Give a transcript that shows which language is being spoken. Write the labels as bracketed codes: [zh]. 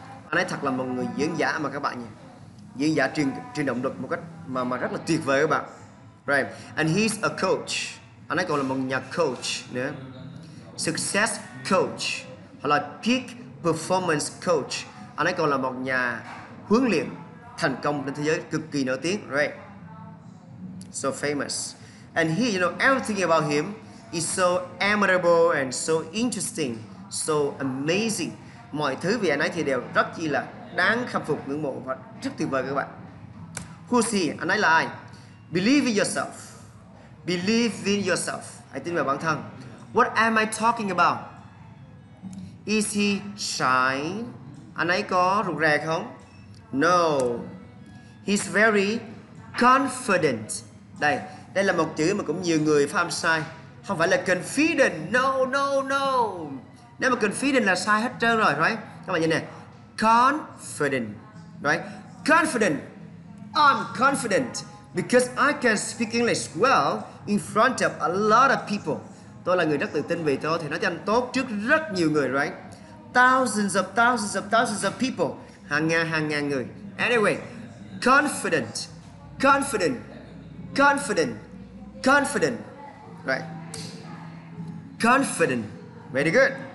[vi] Anh ấy thật là một người diễn giả mà các bạn nhỉ. Diễn giả truyền động lực một cách mà rất là tuyệt vời các bạn. Right. [en] And he's a coach. [vi] Anh ấy còn là một nhà coach nữa. Success coach hoặc là peak performance coach. Anh ấy còn là một nhà huấn luyện thành công trên thế giới, cực kỳ nổi tiếng, right? [en] So famous. And he, you know, everything about him is so admirable and so interesting, so amazing. [vi] Mọi thứ về anh ấy thì đều rất chi là đáng khâm phục, ngưỡng mộ và rất tuyệt vời các bạn. [en] Who's he? [vi] Anh ấy là ai? [en] Believe in yourself. Believe in yourself. [vi] Hãy tin vào bản thân. [en] What am I talking about? Is he shy? [vi] Anh ấy có rụt rè không? [en] No. He's very confident. [vi] Đây là một chữ mà cũng nhiều người phạm sai. Không phải là confident. [en] No, no, no. [vi] Nếu mà confident là sai hết trơn rồi, right? Các bạn nhìn này. [en] Confident, right? Confident. I'm confident because I can speak English well in front of a lot of people. [vi] Tôi là người rất tự tin vì tôi thì nói tiếng Anh tốt trước rất nhiều người, right? [en] Thousands of thousands of thousands of people. [vi] Hàng ngàn người. [en] Anyway, confident, confident, confident, confident, right? Confident. Very good.